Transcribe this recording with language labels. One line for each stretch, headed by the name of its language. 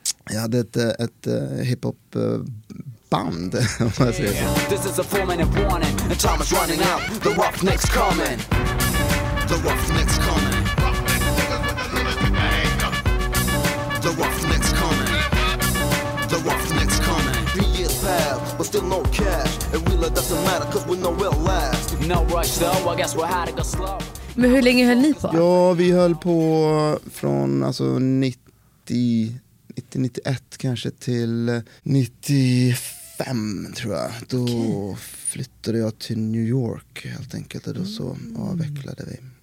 Swedish: Jag hade ett hiphop band.
English: This is a 4-minute warning, and time is running out, the roughneck's coming, the roughneck's coming. The roughneck's coming. The roughneck's coming. 3 years passed, but still no cash. It really doesn't matter, 'cause we know we'll last. No rush though, I guess we'll have to go slow.
Swedish: Men hur länge höll ni på? Ja, vi höll på från alltså 90-91 kanske till 95 tror jag. Då flyttade jag till New York helt enkelt, och då så avvecklade vi.